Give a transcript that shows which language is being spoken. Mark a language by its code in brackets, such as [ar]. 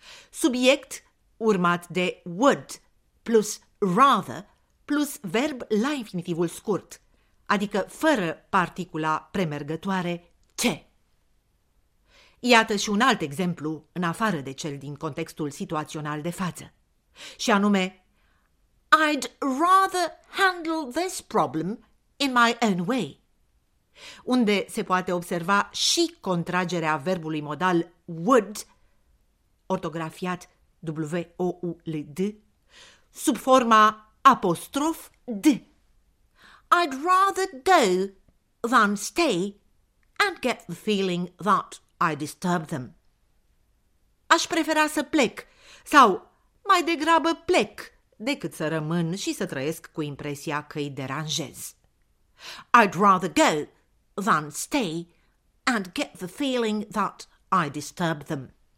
[ro] Subiect urmat de would plus rather plus verb la infinitivul scurt, adică fără particula premergătoare ce. Iată și un alt exemplu, în afară de cel din contextul situațional de față. Și anume, [en] I'd rather handle this problem in my own way. [ro] Unde se poate observa și contragerea verbului modal would, ortografiat W-O-U-L-D, sub forma apostrof D. [en] I'd rather go than stay and get the feeling that I disturb them. [ro] Aș prefera să plec sau mai degrabă plec decât să rămân și să trăiesc cu impresia că îi deranjez. [en] I'd rather go than stay and get the feeling that I disturb them.